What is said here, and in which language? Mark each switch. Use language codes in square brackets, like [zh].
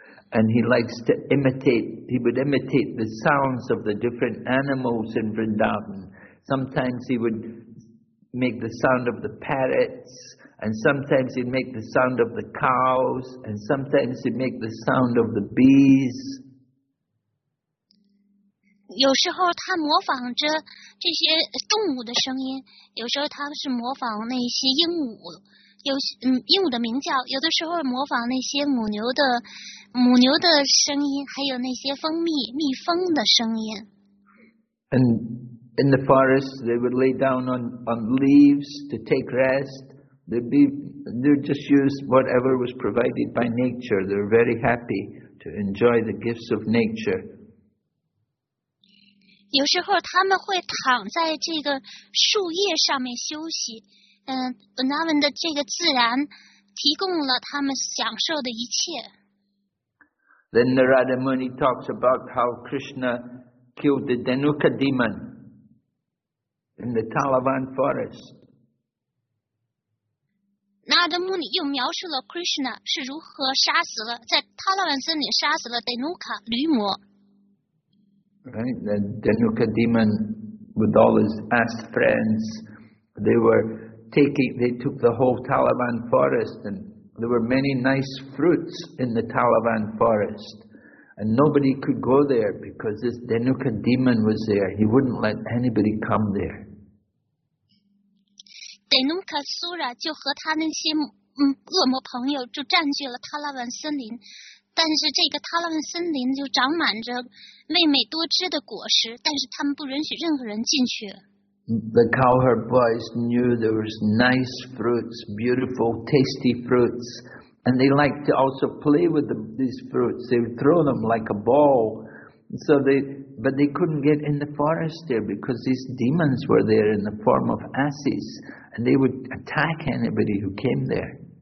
[en] And he would imitate the sounds of the different animals in Vrindavan. Sometimes he would make the sound of the parrots, and sometimes he'd make the sound of the cows, and sometimes he'd make the sound of the bees. [zh] 有时候他模仿着这些动物的声音，有时候他是模仿那些鹦鹉，鹦鹉的鸣叫，有的时候模仿那些母牛的声音，还有那些蜜蜂的声音。 [en] And in the forest, they would lay down on leaves to take rest. They'd just use whatever was provided by nature. They're very happy to enjoy the gifts of nature. [zh] 有时候他们会躺在这个树叶上面休息，他们的这个自然提供了他们享受的一切。 [en] Then Narada Muni talks about how Krishna killed the Danuka demon in the Talavan forest. [zh] Narada Muni 又描述了 Krishna 是如何杀死了在塔拉万森林杀死了 Danuka 驴魔。 [en] Right, the Danuka demon with all his ass friends, they took the whole Talavan forest, and there were many nice fruits in the Talavan forest. And nobody could go there because this Danuka demon was there. He wouldn't let anybody come there. [zh] Danuka Sura 就和他那些恶魔朋友就占据了塔拉万森林。但是这个塔拉万森林就长满着媚美多汁的果实，但是他们不允许任何人进去。 [en] The cowherd boys knew there was nice fruits, beautiful, tasty fruits, and they liked to also play with these fruits. They would throw them like a ball. But they couldn't get in the forest there because these demons were there in the form of asses, and they would attack anybody who came there.